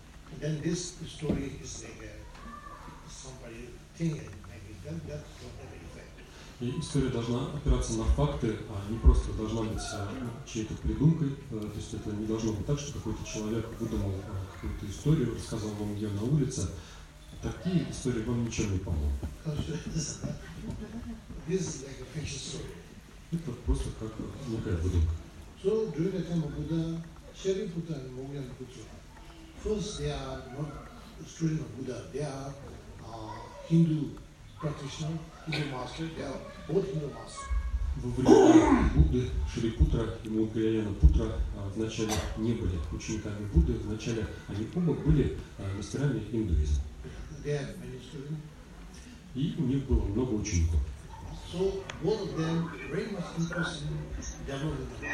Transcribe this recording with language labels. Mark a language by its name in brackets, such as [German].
[English] And then this story is like a somebody thing, and maybe that don't have any effect. [Russian] И история должна опираться на факты, а не просто должна быть чьей-то придумкой. То есть это не должно быть так, что какой-то человек выдумал какую-то историю, рассказал вам ее на улице. Такие истории вам ничем не помогут. Это просто как некая выдумка. [English] So during the time of Buddha, Shariputta and Mogyana Putra, first they are not students of Buddha, they are Hindu practitioners, Hindu masters, they are both Hindu masters. [Russian] Во времена Будды Шарипутра и Моггайяна Путра вначале не были учениками Будды, вначале они оба были мастерами индуизма. [English] They have many students. [Russian] И у них было много учеников. [English] So both of them very much interested in development.